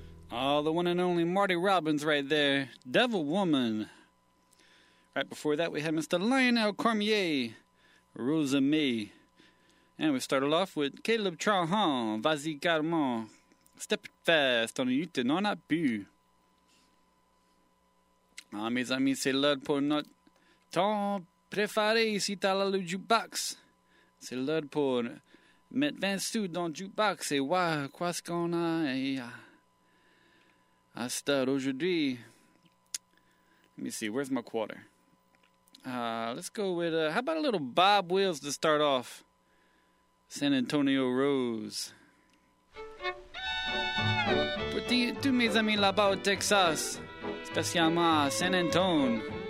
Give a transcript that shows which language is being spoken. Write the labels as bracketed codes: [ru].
[en] Oh, the one and only Marty Robbins right there, devil woman. Right before that, we had Mr. Lionel Cormier, Rosa May. And we started off with Caleb Trahan, Vas-y Garmon, Step Fast on You Did Not Be. [fr] Ah, mes amis, c'est l'heure pour notre temps préféré ici dans le jukebox. C'est l'heure pour mettre 20 sous dans le jukebox et voir quoi ce qu'on a à star aujourd'hui. [en] Let me see, where's my quarter? Let's go with, how about a little Bob Wills to start off? San Antonio Rose. [fr] Pour tous mes amis là-bas au Texas, spécialement à San Antonio.